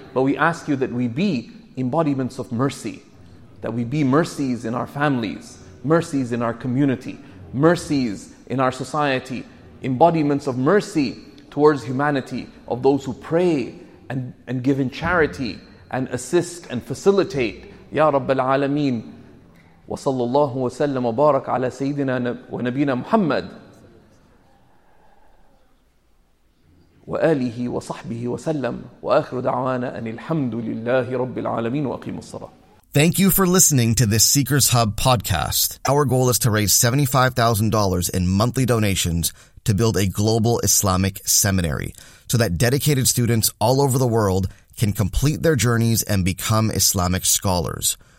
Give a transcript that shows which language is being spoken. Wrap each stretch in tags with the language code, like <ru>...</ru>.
<en>But we ask you that we be embodiments of mercy, that we be mercies in our families, mercies in our community, mercies in our society, embodiments of mercy towards humanity, of those who pray and give in charity and assist and facilitate,</en> <ar>Ya Rabbal Alameen. Wa sallallahu wa sallam wa barak ala Sayyidina wa Nabina Muhammad وآله وصحبه وسلم وآخر دعوانا أن الحمد لله رب العالمين وأقيم الصلاة.</ar> <en>Thank you for listening to this Seekers Hub podcast. Our goal is to raise $75,000 in monthly donations to build a global Islamic seminary so that dedicated students all over the world can complete their journeys and become Islamic scholars.</en>